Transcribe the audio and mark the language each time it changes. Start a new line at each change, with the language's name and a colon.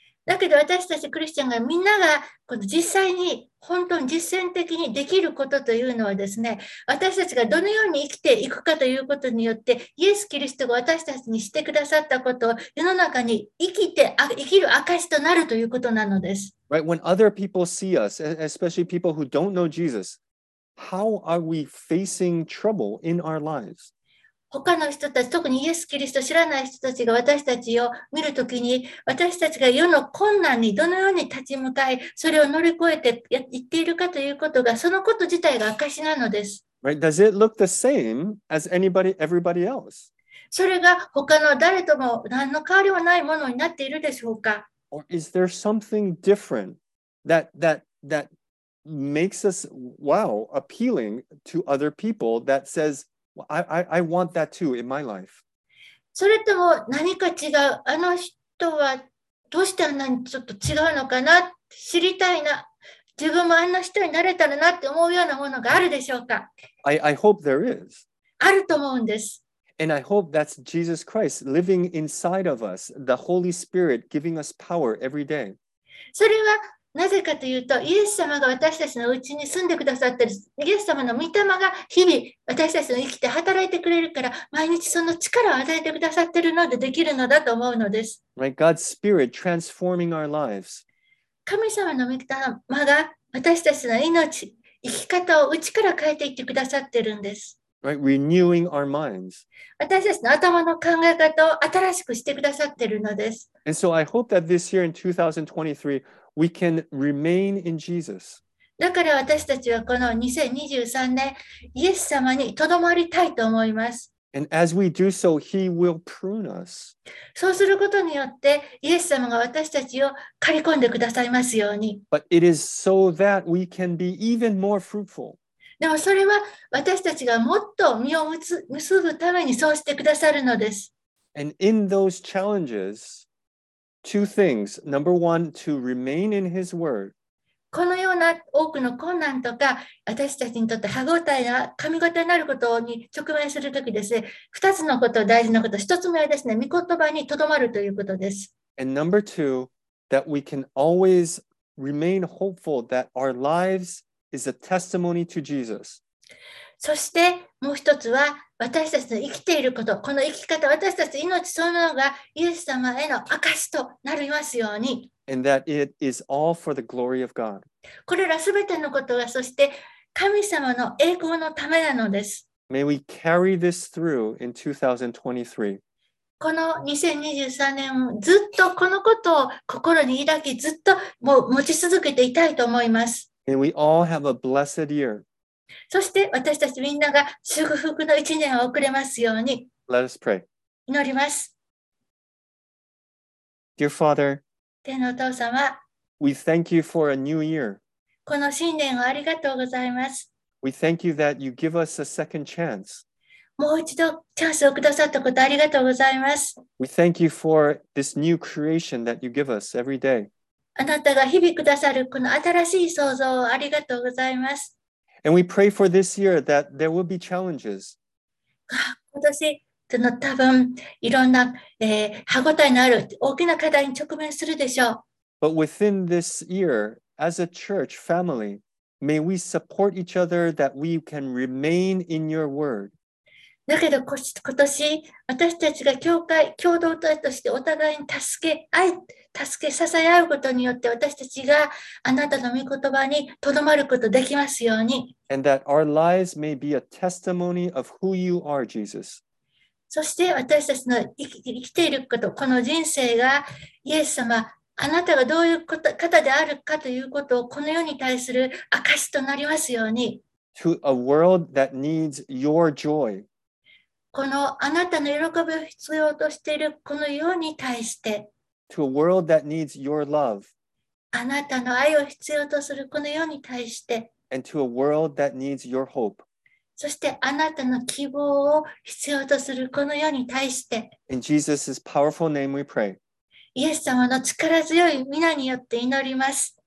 Japanese: だけど私たちクリスチャンがみんながこの実際に本当に実践的にできることというのはですね、私たちがどのように生きていくかということによって、イエス・キリストが私たちにしてくださったことを世の中に生きる証となるということなのです。
English: Right, when other people see us, especially people who don't know Jesus,How are we facing trouble in our lives?
Japanese: 他の人たち、特にイエス・キリストを知らない人たちが私たちを見るときに、私たちが世の困難にどのように立ち向かい、それを乗り越えていっているかということが、そのこと自体が証なのです。
English: Right? Does it look the same as everybody else?
Japanese: それが他の誰とも何の変わりもないものになっているでしょうか?
English: Or is there something different that makes us, wow, appealing to other people that says, I want that too in my life.
Japanese: それとも何か違う、あの人はどうしてあんなにちょっと違うのかな、知りたいな、自分もあんな人になれたらなって思うようなものがあるでしょうか?
English: I hope there is.
Japanese: あると思うんです。
English: And I hope that's Jesus Christ living inside of us, the Holy Spirit giving us power every day.
Japanese: それはなぜかというと、イエス様が私たちのうちに住んでくださってる、イエス様の御霊が日々私たちの生きて働いてくれるから、毎日その力を与えてくださってるのでできるのだと思うのです。
English: Right, God's Spirit transforming our lives.
Japanese: 神様の御霊が私たちの命、生き方を内から変えていってくださってるんです。
English: Right, renewing our minds.
Japanese: 私たちの頭の考え方を新しくしてくださってるのです。
English: And so I hope that this year in 2023,We can remain in Jesus.
Japanese: だから私たちはこの2023年、イエス様にとどまりたいと思います。
English: And as we do so, He will prune us.
Japanese: そうすることによって、イエス様が私たちを刈り込んでくださいますように。
English: But it is so that we can be even more fruitful.
Japanese: でもそれは私たちがもっと実を結ぶためにそうしてくださるのです。
English: And in those challenges,Two things. Number one, to remain in His Word.
Japanese: このような多くの困難とか、私たちにとって歯ごたえが神ごたえになることに直面するときですね。二つのこと、大事なこと。一つ目はですね、御言葉にとどまるということです。
English: And number two, that we can always remain hopeful that our lives is a testimony to Jesus.
Japanese: そしてもう一つは、私たちの生きていること、この生き方、私たち命そのものがイエス様への証となりますように。
English: And that it is all for the glory of God.
Japanese: これらすべてのことが、そして神様の栄光のためなのです。
English: May we carry this through in 2023.
Japanese: この2023年、ずっとこのことを心に抱き、ずっともう持ち続けていたいと思います。
English: And we all have a blessed year.
Japanese: そして私たちみんなが祝福の一年を送れますように
English: Let us pray.
Japanese: 祈ります。
English: Dear Father,
Japanese: 天のお父様、
English: We thank you for a new year.
Japanese: この新年をありがとうございます。
English: We thank you that you give us a second chance.
Japanese: もう一度チャンスをくださったことありがとうございます。
English: We thank you for this new creation that you give us every day.
Japanese: あなたが日々くださるこの新しい創造をありがとうございます。
English: And we pray for this year that there will be challenges.
Japanese: 今年、多分いろんな、歯ごたえのある大きな課題に直面するでしょう。
English: But within this year, as a church family, may we support each other that we can remain in your word.
Japanese: だけど今年、私たちが教会、共同体としてお互いに助け支え合うことによって私たちがあなたの御言葉にとどまることができますように。
English: And that our lives may be a testimony of who you are, Jesus.
Japanese: そして私たちの生きていること、この人生がイエス様、あなたがどういう方であるかということをこの世に対する証となりますように。
English: To a world that needs your joy.
Japanese: このあなたの喜びを必要としているこの世に対して、
English: To a world that needs your love.
Japanese: あなたの愛を必要とするこの世に対して、
English: And to a world that needs your hope.
Japanese: そしてあなたの希望を必要とするこの世に対して、
English: In Jesus' powerful name we pray.
Japanese: イエス様の力強い御名によって祈ります。